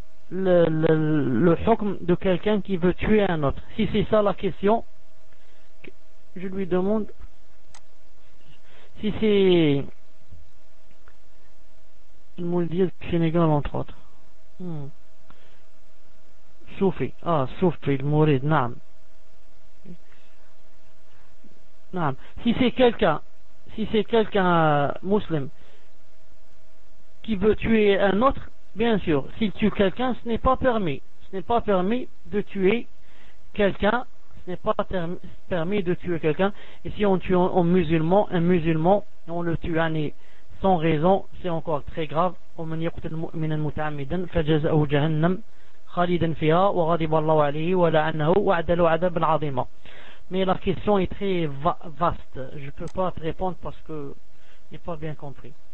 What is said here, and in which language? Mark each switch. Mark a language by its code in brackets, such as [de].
[fr] le hukm de quelqu'un qui veut tuer un autre si c'est ça la question je lui demande si c'est il me le dit au Sénégal entre autres Soufi Soufi le mourid [ar] نعم. [fr] Si c'est quelqu'un, si c'est quelqu'un musulman qui veut tuer un autre, bien sûr, s'il tue quelqu'un, ce n'est pas permis. Ce n'est pas permis de tuer quelqu'un. Ce n'est pas permis de tuer quelqu'un. Et si on tue un musulman, et on le tue à nez sans raison, c'est encore très grave. [ar] ومن يقتل مؤمنا متعمدا فجزاؤه جهنم خالدا فيها وغضب الله عليه ولعنه وعدل عذابا عظيما. [fr] Mais la question est très vaste. Je ne peux pas te répondre parce que je n'ai pas bien compris.